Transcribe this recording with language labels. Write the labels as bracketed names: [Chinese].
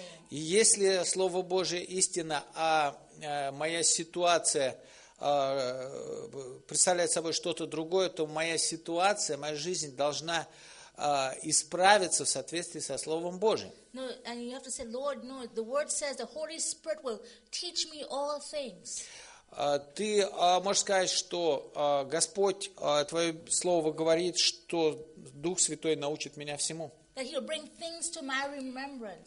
[Russian] И если Слово Божие – истина, а моя ситуация представляет собой что-то другое, то моя ситуация, моя жизнь должна исправиться в соответствии со Словом Божиим. [English] No, and you have to say, Lord, no, the Word says the Holy Spirit will teach me all things. [Russian] Ты можешь сказать, что Господь, Твое Слово говорит, что Дух Святой научит меня всему. [English] That He'll bring things to my remembrance.